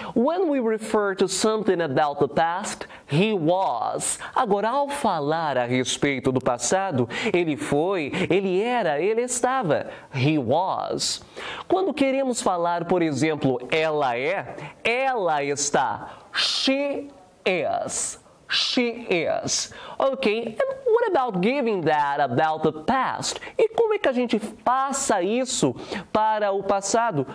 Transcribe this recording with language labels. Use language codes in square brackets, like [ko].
[en] When we refer to something about the past, he was. [pt] Agora, ao falar a respeito do passado, ele foi, ele era, ele estava. [en] He was. [pt] Quando queremos falar, por exemplo, ela é, ela está. [en] She is. She is. Ok, and what about giving that about the past? [pt] E como é que a gente passa isso para o passado?